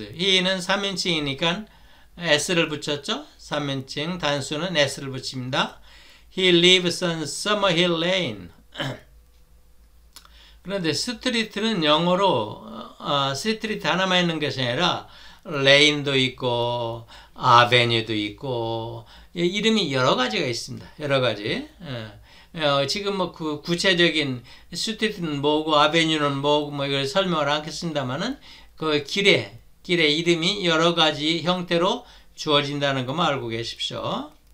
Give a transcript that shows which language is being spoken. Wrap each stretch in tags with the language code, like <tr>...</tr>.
<ko>he는 3인칭이니까 s를 붙였죠. 3인칭 단수는 s를 붙입니다.</ko> <en>he lives on Summer Hill Lane.</en> <ko>그런데 스트리트는 영어로 스트리트 하나만 있는 것이 아니라 레인도 있고 아베뉴도 있고 이름이 여러 가지가 있습니다. 여러 가지. 지금 뭐그 구체적인 스트리트는 뭐고 아베뉴는 뭐고 뭐 이걸 설명을 않겠습니다만은 그 길의 이름이 여러 가지 형태로 주어진다는 것만 알고 계십시오.</ko>